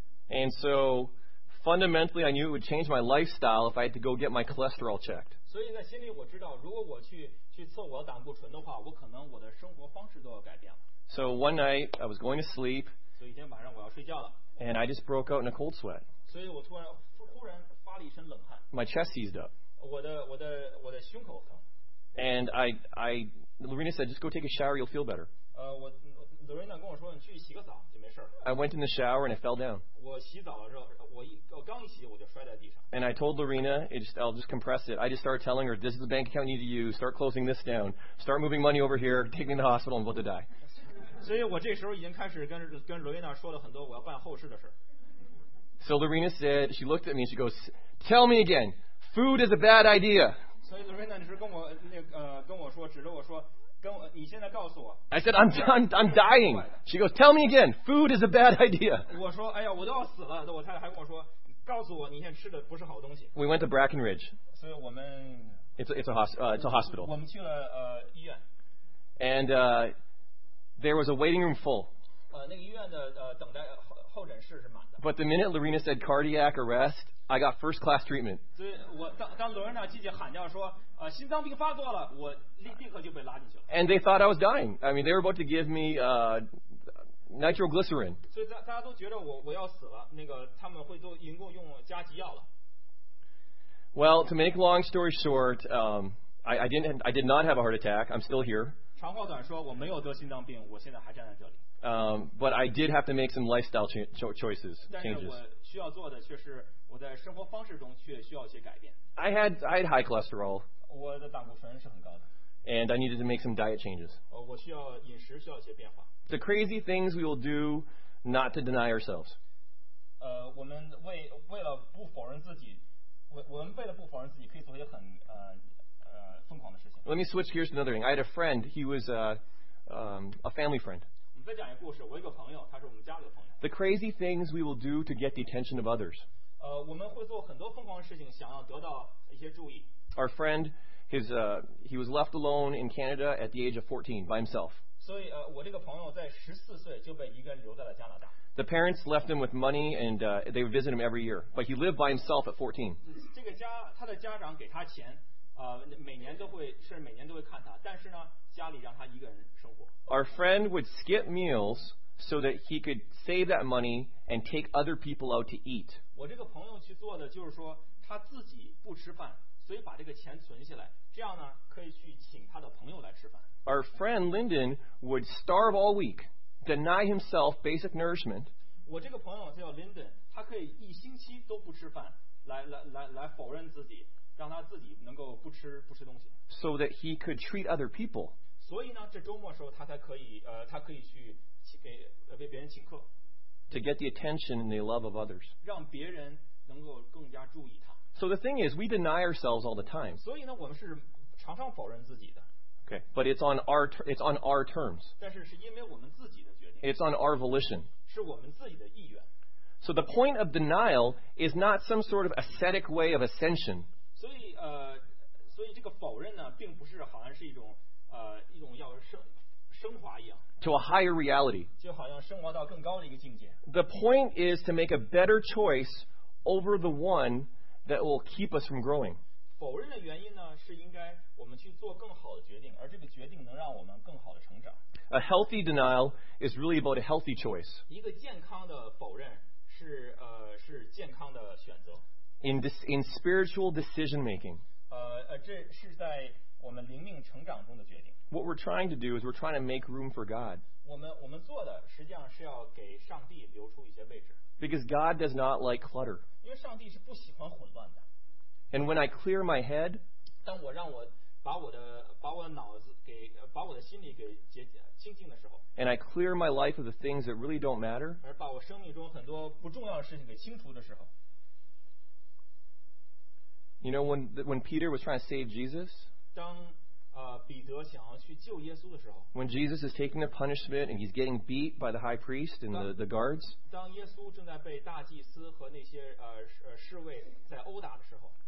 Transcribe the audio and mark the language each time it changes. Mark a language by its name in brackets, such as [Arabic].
[English] And so, fundamentally, I knew it would change my lifestyle if I had to go get my cholesterol checked. [Chinese] 所以在心里我知道，如果我去测我的胆固醇的话，我可能我的生活方式都要改变了。 [English] So one night I was going to sleep. [Chinese] 所以今天晚上我要睡觉了。 [English] And I just broke out in a cold sweat. [Chinese] 所以我突然发了一身冷汗。 [English] My chest seized up. [Chinese] 我的胸口疼。 [English] And I Lorena said, just go take a shower, you'll feel better. [Chinese] 我 Lorena 跟我说，你去洗个澡就没事了。 [English] I went in the shower and I fell down. [Chinese] 我洗澡的时候，我刚一洗我就摔在地上。 [English] And I told Lorena, I'll just compress it. I just started telling her, this is the bank account you need to use. Start closing this down. Start moving money over here. Take me to the hospital. I'm about to die. [Chinese] 所以我这时候已经开始跟 Lorena 说了很多我要办后事的事。 [English] So Lorena said, she looked at me and she goes, tell me again, food is a bad idea. [Chinese] So Lorena, 你是跟我跟我说，指着我说，跟我，你现在告诉我。 [English] I said, I'm dying. She goes, tell me again, food is a bad idea. [Chinese] 我说，哎呀，我都要死了。我太太还跟我说，告诉我，你现在吃的不是好东西。 [English] We went to Brackenridge. [Chinese] 所以我们。 [English] It's a hospital. [Chinese] 我们去了医院。 [English] And there was a waiting room full. [Chinese] 那个医院的等待候诊室是满的。 [English] But the minute Lorena said cardiac arrest, I got first class treatment. [Chinese] 所以我当 Lorena 积极喊叫说心脏病发作了，我立刻就被拉进去了。 [English] And they thought I was dying. I mean, they were about to give me nitroglycerin. [Chinese] 所以大家都觉得我要死了，那个他们会都已经用加急药了。 [English] Well, to make long story short, I did not have a heart attack. I'm still here. [Chinese] 长话短说，我没有得心脏病，我现在还站在这里。 [English] But I did have to make some lifestyle choices changes. [Chinese] 但是我需要做的却是我在生活方式中却需要一些改变。 [English] I had high cholesterol. [Chinese] 我的胆固醇是很高的。 [English] And I needed to make some diet changes. [Chinese] 我需要饮食需要一些变化。 [English] The crazy things we will do not to deny ourselves. [Chinese] 我们为了不否认自己，我们为了不否认自己，可以做一些很疯狂的事情。 [English] Let me switch gears to another thing. I had a friend. He was a family friend. [Chinese] 再讲一个故事，我一个朋友，他是我们家里的朋友。 [English] The crazy things we will do to get the attention of others. [Chinese] 我们会做很多疯狂的事情，想要得到一些注意。 [English] Our friend, he was left alone in Canada at the age of 14 by himself. [Chinese] 所以我这个朋友在14岁就被一个人留在了加拿大。 [English] The parents left him with money and they would visit him every year, but he lived by himself at 14. [Chinese] 这个家他的家长给他钱，每年都会看他，但是呢，家里让他一个人生活。 [English] Our friend would skip meals so that he could save that money and take other people out to eat. [Chinese] 我这个朋友去做的就是说他自己不吃饭，所以把这个钱存下来，这样呢可以去请他的朋友来吃饭。 [English] Our friend Lyndon would starve all week, deny himself basic nourishment. [Chinese] 我这个朋友叫 Lyndon, 他可以一星期都不吃饭，来否认自己，让他自己能够不吃东西。 [English] So that he could treat other people. [Chinese] 所以呢，这周末的时候，他才可以，他可以去为别人请客。 [English] To get the attention and the love of others. [Chinese] 让别人能够更加注意他。 [English] So the thing is, we deny ourselves all the time. [Chinese] 所以呢，我们是常常否认自己的。 [English] Okay, but it's on our terms. [Chinese] 但是是因为我们自己的决定。 [English] It's on our volition. [Chinese] 是我们自己的意愿。 [English] So the point of denial is not some sort of ascetic way of ascension. [Chinese] 所以这个否认呢，并不是好像是一种。一种要升华一样 [English] to a higher reality. [Chinese] 就好像升华到更高的一个境界。 [English] The point is to make a better choice over the one that will keep us from growing. [Chinese] 否认的原因呢，是应该我们去做更好的决定，而这个决定能让我们更好的成长。 [English] A healthy denial is really about a healthy choice. [Chinese] 一个健康的否认是健康的选择。 [English] In spiritual decision making. [Chinese] 这是在我们灵命成长中的决定。 [English] What we're trying to do is we're trying to make room for God. [Chinese] 我们做的实际上是要给上帝留出一些位置。 [English] Because God does not like clutter. [Chinese] 因为上帝是不喜欢混乱的。 [English] And when I clear my head, [Chinese] 当我让我把我的脑子给把我的心里给清净的时候 [English] ，and I clear my life of the things that really don't matter, [Chinese] 而把我生命中很多不重要的事情给清除的时候。 [English] You know when Peter was trying to save Jesus. [Chinese] 当彼得想要去救耶稣的时候 [English] ，When Jesus is taking the punishment and he's getting beat by the high priest and the guards， [Chinese] 当耶稣正在被大祭司和那些侍卫在殴打的时候